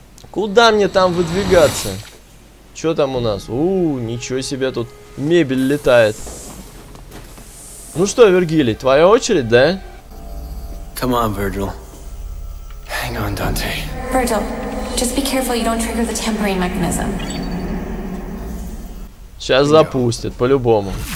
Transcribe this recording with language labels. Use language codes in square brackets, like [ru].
[ru] Куда мне там выдвигаться? Что там у нас? Ууу, ничего себе, тут мебель летает. Ну что, Вергилий, твоя очередь, да? [en] Come on, Virgil. Hang on, Dante. Virgil, just be careful you don't trigger the tampering mechanism. [ru] Сейчас запустят, по-любому.